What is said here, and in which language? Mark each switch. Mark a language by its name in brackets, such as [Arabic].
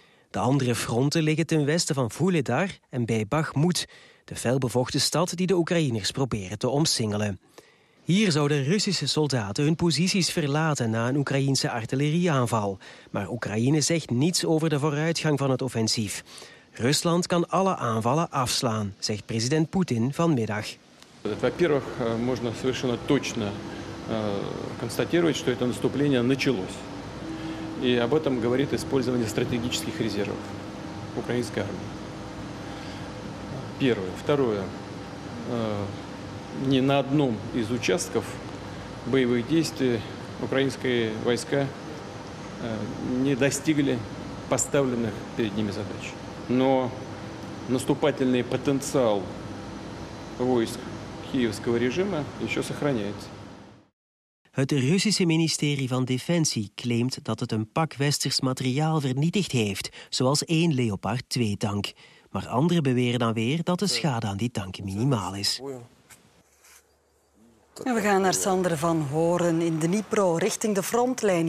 [Dutch] De andere fronten liggen ten westen van Vuhledar en bij Bakhmut, de felbevochten stad die de Oekraïners proberen te omsingelen. Hier zouden Russische soldaten hun posities verlaten na een Oekraïense artillerieaanval. Maar Oekraïne zegt niets over de vooruitgang van het offensief. Rusland kan alle aanvallen afslaan, zegt president Poetin vanmiddag. [Russian] Во-первых, можно совершенно точно констатировать, что это наступление началось. И об этом говорит использование стратегических резервов украинской армии. Первое. Второе. Ни на одном из участков боевых действий украинские войска не достигли поставленных перед ними задач. Но наступательный потенциал войск киевского режима еще сохраняется. [Dutch] Het Russische ministerie van Defensie claimt dat het een pak westers materiaal vernietigd heeft, zoals één Leopard 2-tank. Maar anderen beweren dan weer dat de schade aan die tank minimaal is. En we gaan naar Sander van Horen in de Dnipro, richting de frontlijn.